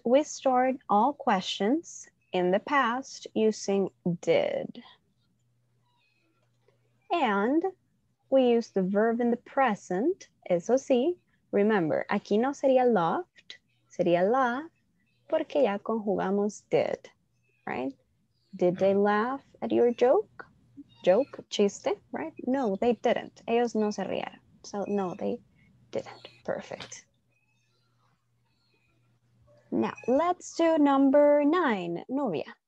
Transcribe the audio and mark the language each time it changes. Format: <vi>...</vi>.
<en>We stored all questions in the past using did. And we use the verb in the present.</en> <es>Eso sí, remember, aquí no sería loved, sería laugh, porque ya conjugamos did, right?</es> <en>Did they laugh at your joke, chiste, right? No, they didn't.</en> <es>Ellos no se rieron.</es> <en>So no, they didn't. Perfect. Now let's do number nine, Nubia.</en>